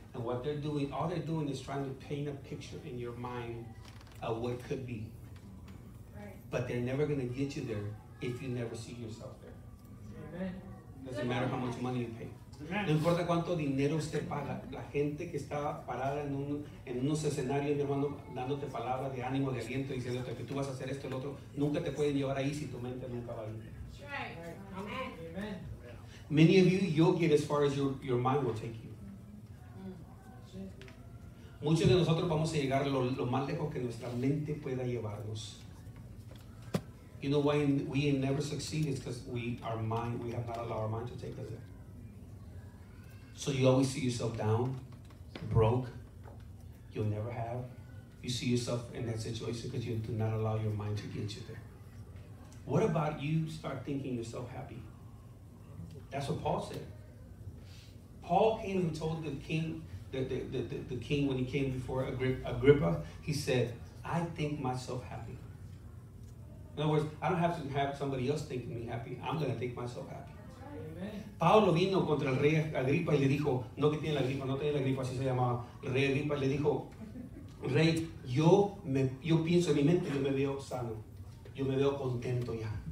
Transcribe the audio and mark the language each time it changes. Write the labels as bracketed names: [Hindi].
[English] And what they're doing, all they're doing is trying to paint a picture in your mind of what could be. But they're never going to get you there if you never see yourself there. Amen. Doesn't matter how much money you pay. [Spanish] No importa cuánto dinero usted paga, la gente que está parada en unos escenarios, mi hermano, dándote palabras de ánimo, de aliento, diciéndote que tú vas a hacer esto y el otro, nunca te pueden llevar ahí si tu mente nunca va a ir. [English] That's right. Amen. Many of you, you'll get as far as your mind will take you. [Spanish] Muchos de nosotros vamos a llegar lo más lejos que nuestra mente pueda llevarnos. [English] You know why we never succeed? It's because we have not allowed our mind to take us there. So you always see yourself down, broke, you'll never have. You see yourself in that situation because you do not allow your mind to get you there. What about you start thinking yourself happy? That's what Paul said. Paul came and told the king, the king when he came before Agrippa, he said, I think myself happy. In other words, I don't have to have somebody else think me happy. I'm going to think myself happy. [Spanish] Pablo vino contra el rey Agripa y le dijo, no que tiene la gripa, no tiene la gripa, así se llamaba, el rey Agripa, le dijo, rey, yo pienso en mi mente, yo me veo sano, yo me veo contento ya.